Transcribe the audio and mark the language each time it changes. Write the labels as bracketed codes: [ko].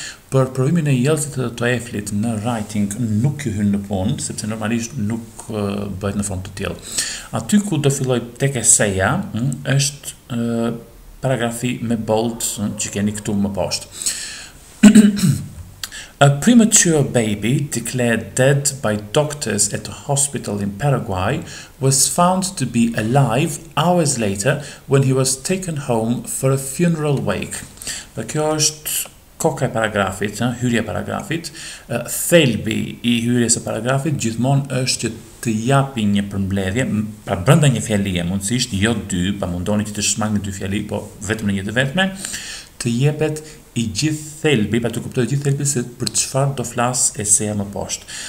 [sq] Për provimin e jelësit të TOEFL-it në writing nuk ju hynë në punë, sepse normalisht nuk bëhet në form të tjilë. Aty ku të filloj tek eseja, është paragrafi me bold që keni këtu më poshtë. [en] A premature baby declared dead by doctors at a hospital in Paraguay was found to be alive hours later when he was taken home for a funeral wake. [sq] Dhe kjo është koka e paragrafit, hyrje e paragrafit. Thelbi i hyrjes e paragrafit gjithmonë është që të japi një përmbledhje, pra brenda një fjalie mundësisht, jo dy, pa mundoni që të shmangni dy fjali, po vetëm në një të vetme, të jepet i gjithë thelbi, pa të kuptoj gjithë thelbi se për çfarë do flas eseja më poshtë.